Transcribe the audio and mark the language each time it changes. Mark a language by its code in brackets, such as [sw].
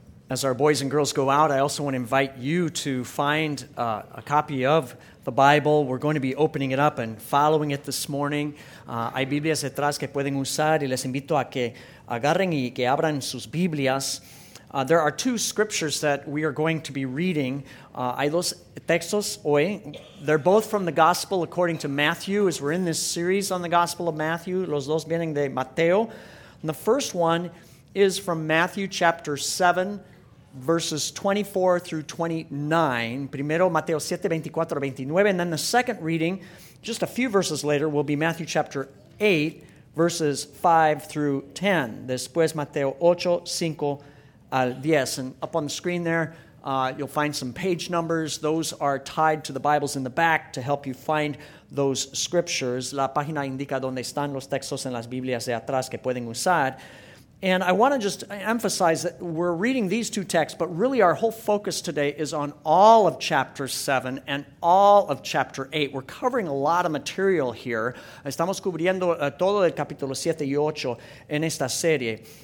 [en] As our boys and girls go out, I also want to invite you to find a copy of the Bible. We're going to be opening it up and following it this morning. [es] Hay Biblias detrás que pueden usar y les invito a que agarren y que abran sus Biblias. [en] There are two scriptures that we are going to be reading. [es] Hay dos textos hoy. [en] They're both from the Gospel according to Matthew, as we're in this series on the Gospel of Matthew. [es] Los dos vienen de Mateo. [en] And the first one is from Matthew chapter 7, verses 24 through 29. [es] Primero, Mateo 7, 24, 29. [en] And then the second reading, just a few verses later, will be Matthew chapter 8, verses 5 through 10. [es] Después, Mateo 8, 5 al 10. [en] And up on the screen there, you'll find some page numbers. Those are tied to the Bibles in the back to help you find those scriptures. [es] La página indica donde están los textos en las Biblias de atrás que pueden usar. [en] And I want to just emphasize that we're reading these two texts, but really our whole focus today is on all of chapter 7 and all of chapter 8. We're covering a lot of material here. [es] Estamos cubriendo todo el capítulo 7 y 8 en esta serie.